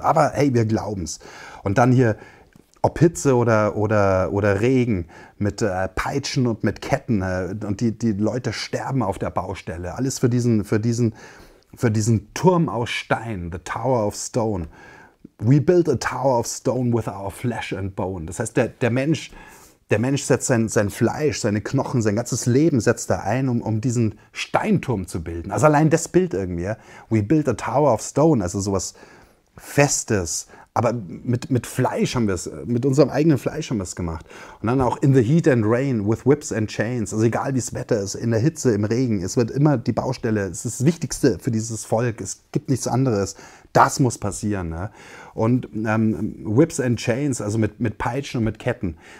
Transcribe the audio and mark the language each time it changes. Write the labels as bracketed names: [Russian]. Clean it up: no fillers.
[German] Aber hey, wir glauben's. Und dann hier, ob Hitze oder Regen, mit Peitschen und mit Ketten. Und die Leute sterben auf der Baustelle. Alles für diesen Turm aus Stein, [English] the Tower of Stone. We build a Tower of Stone with our flesh and bone. [German] Das heißt, der Mensch setzt sein Fleisch, seine Knochen, sein ganzes Leben setzt er ein, um diesen Steinturm zu bilden. Also allein das Bild irgendwie. [English] We build a Tower of Stone, [German] also sowas Festes. Aber mit Fleisch haben wir es, mit unserem eigenen Fleisch haben wir es gemacht. Und dann auch [English] in the heat and rain, with whips and chains. [German] Also egal wie das Wetter ist, in der Hitze, im Regen, es wird immer die Baustelle, es ist das Wichtigste für dieses Volk, es gibt nichts anderes. Das muss passieren. Ne? Und [English] whips and chains, [German] also mit Peitschen und mit Ketten.